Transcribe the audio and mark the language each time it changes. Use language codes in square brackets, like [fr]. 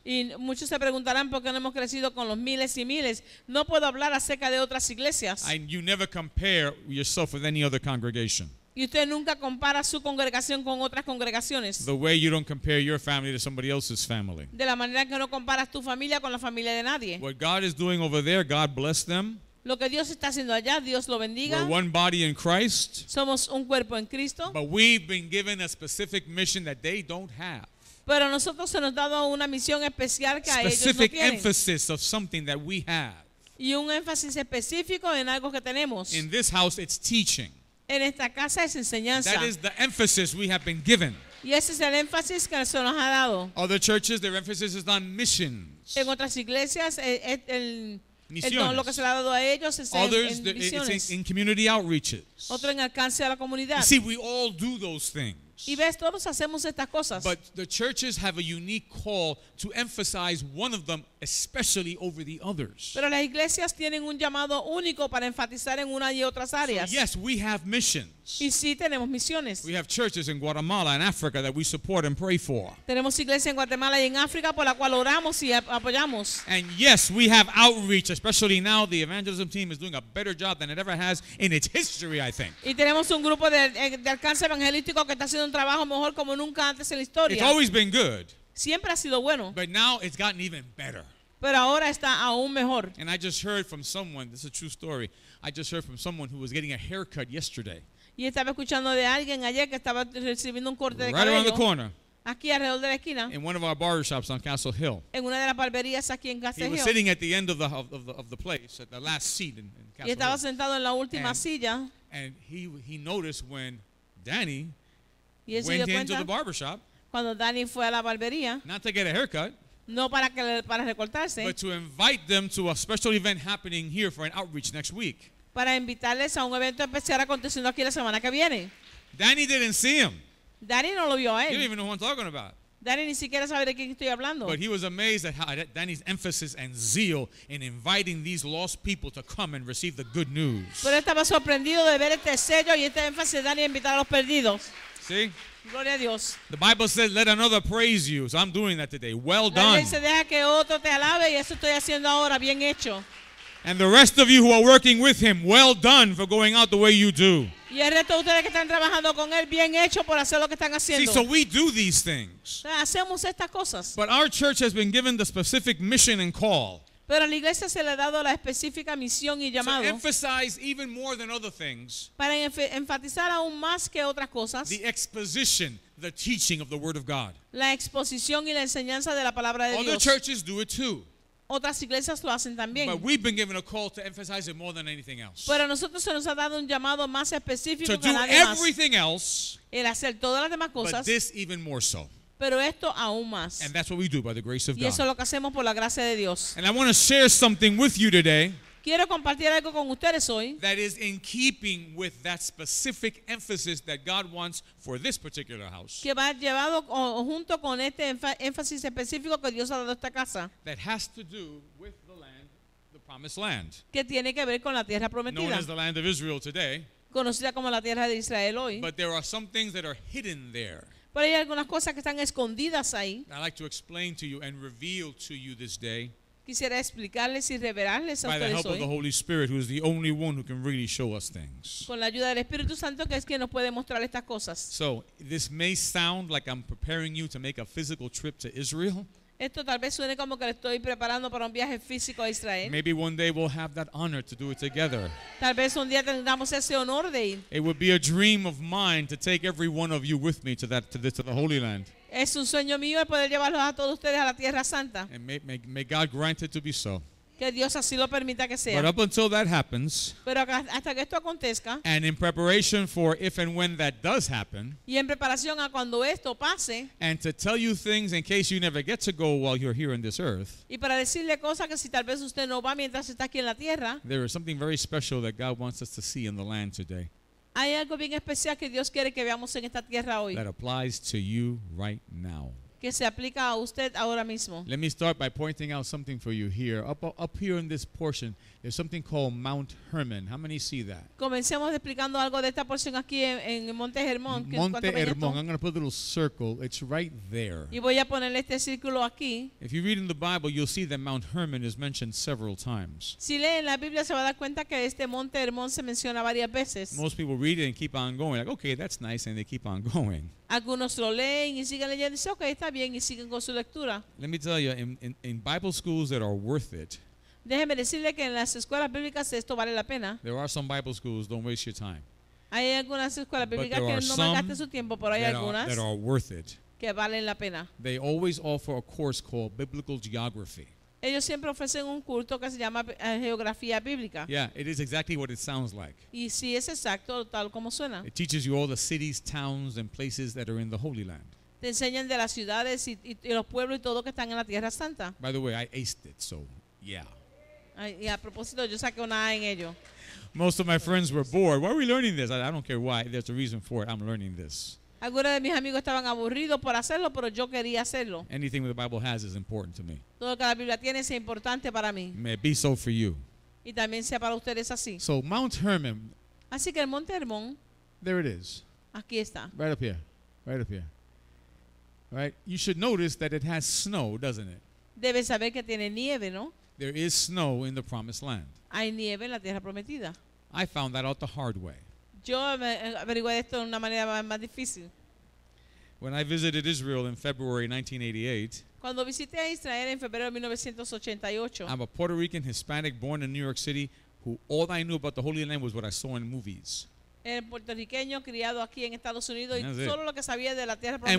[es] Y muchos se preguntarán por qué no hemos crecido con los miles y miles. No puedo hablar acerca de otras iglesias. [en] And you never compare yourself with any other congregation. [es] Y usted nunca compara su congregación con otras congregaciones. [en] The way you don't compare your family to somebody else's family. [es] De la manera que no comparas tu familia con la familia de nadie. [en] What God is doing over there, God bless them. [es] Lo que Dios está haciendo allá, Dios lo bendiga. [en] We're one body in Christ. [es] Somos un cuerpo en Cristo. [en] But we've been given a specific mission that they don't have. [es] Pero nosotros se nos ha dado una misión especial que a ellos no tienen. [en] Specific emphasis of something that we have. [es] Y un énfasis específico en algo que tenemos. [en] In this house, it's teaching. [es] En esta casa es enseñanza. [en] That is the emphasis we have been given. [es] Y ese es el énfasis que se nos ha dado. [en] Other churches, their emphasis is on missions. [es] En otras iglesias, el misiones. Lo que se le ha dado a ellos es [en] others, [es] en misiones. [en] Others, it's in community outreaches. [es] Otro en alcance a la comunidad. [en] You see, we all do those things. [es] Y ves, todos hacemos estas cosas. [en] But the churches have a unique call to emphasize one of them, especially over the others. [es] Pero las iglesias tienen un llamado único para enfatizar en una y otras áreas. [en] So, yes, we have missions. [es] Y sí, tenemos misiones. [en] We have churches in Guatemala and Africa that we support and pray for. [es] Tenemos iglesias en Guatemala y en África por la cual oramos y apoyamos. [en] And yes, we have outreach, especially now the evangelism team is doing a better job than it ever has in its history, I think. [es] Y tenemos un grupo de alcance evangelístico que está haciendo un trabajo mejor como nunca antes en la historia. [en] It's always been good. [es] Siempre ha sido bueno. [en] But now it's gotten even better. [es] Pero ahora está aún mejor. [en] And I just heard from someone, this is a true story, I just heard from someone who was getting a haircut yesterday. [es] Y estaba escuchando de alguien ayer que estaba recibiendo un corte de cabello. [en] Right around the corner. [es] Aquí alrededor de la esquina. [en] In one of our barbershops on Castle Hill. [es] En una de las barberías aquí en Castle Hill. [en] He was sitting at the end of the place, at the last seat in Castle Hill. [es] Y estaba sentado en la última silla. [en] And he noticed when Danny went into the barbershop. [es] Cuando Danny fue a la barbería. [en] Not to get a haircut. [es] No para que para recortarse. [en] But to invite them to a special event happening here for an outreach next week. [es] Para invitarles a un evento especial aconteciendo aquí la semana que viene. [en] Danny didn't see him. [es] Danny no lo vio a él. [en] He didn't even know who I'm talking about. [es] Danny ni siquiera sabe de quién estoy hablando. [en] But he was amazed at how Danny's emphasis and zeal in inviting these lost people to come and receive the good news. [es] Pero estaba sorprendido de ver este sello y este énfasis de Danny en invitar a los perdidos. ¿Sí? Gloria a Dios. [en] The Bible says, let another praise you. So I'm doing that today. Well done. [es] La ley dice, deja que otro te alabe y eso estoy haciendo ahora. Bien hecho. [en] And the rest of you who are working with him, well done for going out the way you do. [es] Y el resto de ustedes que están trabajando con él, bien hecho por hacer lo que están haciendo. [en] See, so we do these things. [es] Hacemos estas cosas. [en] But our church has been given the specific mission and call. [es] Pero a la iglesia se le ha dado la específica misión y llamado. [en] To emphasize even more than other things. [es] Para enfatizar aún más que otras cosas. [en] The exposition, the teaching of the word of God. [es] La exposición y la enseñanza de la palabra de Dios. [en] Other churches do it too. [es] Otras iglesias lo hacen también. [en] But we've been given a call to emphasize it more than anything else. [es] Pero a nosotros se nos ha dado un llamado más específico [en] to [es] que nada más. [en] To do everything else. [es] El hacer todas las demás cosas. [en] But this even more so. [es] Pero esto aún más. [en] And that's what we do by the grace of God. [es] Y eso es lo que hacemos por la gracia de Dios. [en] And I want to share something with you today. [es] Quiero compartir algo con ustedes hoy. [en] That is in keeping with that specific emphasis that God wants for this particular house. [es] Que va llevado junto con este énfasis específico que Dios ha dado a esta casa. [en] That has to do with the land, the promised land. [es] Que tiene que ver con la tierra prometida. [en] Known as the land of Israel today. [es] Conocida como la tierra de Israel hoy. [en] But there are some things that are hidden there. [es] Pero hay algunas cosas que están escondidas ahí. [en] I'd like to explain to you and reveal to you this day. [es] Quisiera explicarles y revelarles a ustedes hoy. [en] By the help of the Holy Spirit, who is the only one who can really show us things. [es] Con la ayuda del Espíritu Santo, que es quien nos puede mostrar estas cosas. [en] So, this may sound like I'm preparing you to make a physical trip to Israel. [es] Esto tal vez suene como que le estoy preparando para un viaje físico a Israel. [en] Maybe one day we'll have that honor to do it together. [es] Tal vez un día tengamos ese honor de ir. [en] It would be a dream of mine to take every one of you with me to that to the Holy Land. [es] Es un sueño mío el poder llevarlos a todos ustedes a la Tierra Santa. [en] And may God grant it to be so. [es] Que Dios así lo permita que sea. [en] But up until that happens, [es] pero hasta que esto acontezca, [en] and in preparation for if and when that does happen, [es] y en preparación a cuando esto pase, [en] and to tell you things in case you never get to go while you're here on this earth, [es] y para decirle cosas que si tal vez usted no va mientras está aquí en la tierra, [en] there is something very special that God wants us to see in the land today. [es] Hay algo bien especial que Dios quiere que veamos en esta tierra hoy. [en] That applies to you right now. [es] Que se aplica a usted ahora mismo. [en] Let me start by pointing out something for you here. Up here in this portion, there's something called Mount Hermon. How many see that? [es] Comencemos explicando algo de esta porción aquí en Monte Hermón. Monte Hermón. [en] I'm going to put a little circle. It's right there. [es] Y voy a ponerle este círculo aquí. [en] If you read in the Bible, you'll see that Mount Hermon is mentioned several times. [es] Si lee en la Biblia, se va a dar cuenta que este Monte Hermón se menciona varias veces. [en] Most people read it and keep on going. Like, okay, that's nice, and they keep on going. [es] Algunos lo leen y siguen leyendo y dicen, okay, está bien, y siguen con su lectura. [en] Let me tell you, in Bible schools that are worth it, [es] déjeme decirle que en las escuelas bíblicas esto vale la pena. [en] There are some Bible schools, don't waste your time. [es] Hay algunas escuelas bíblicas que no malgaste su tiempo, pero hay algunas [en] that are worth it, [es] que valen la pena. [en] They always offer a course called Biblical Geography. [es] Ellos siempre ofrecen un curso que se llama Geografía Bíblica. [en] Yeah, it is exactly what it sounds like. [es] Y sí, es exacto tal como suena. [en] It teaches you all the cities, towns, and places that are in the Holy Land. [es] Te enseñan de las ciudades y los pueblos y todo que están en la Tierra Santa. [en] By the way, I aced it, so yeah. [es] Y a propósito, yo saqué una A en ello. [en] Most of my friends were bored. Why are we learning this? I don't care why. There's a reason for it. I'm learning this. [es] Algunos de mis amigos estaban aburridos por hacerlo, pero yo quería hacerlo. [en] Anything the Bible has is important to me. [es] Todo lo que la Biblia tiene es importante para mí. [en] May it be so for you. [es] Y también sea para ustedes así. [en] So Mount Hermon. [es] Así que el Monte Hermón. [en] There it is. [es] Aquí está. [en] Right up here. Right up here. Right? You should notice that it has snow, doesn't it? [es] Debe saber que tiene nieve, ¿no? [en] There is snow in the promised land. [es] Hay nieve en la tierra prometida. [en] I found that out the hard way. [es] Yo averigué esto de una manera más difícil. [en] When I visited Israel in February 1988, [es] cuando visité a Israel en febrero de 1988, [en] I'm a Puerto Rican Hispanic born in New York City who all I knew about the Holy Land was what I saw in movies. [es] El puertorriqueño criado aquí en Estados Unidos y solo lo que sabía de la tierra prometida.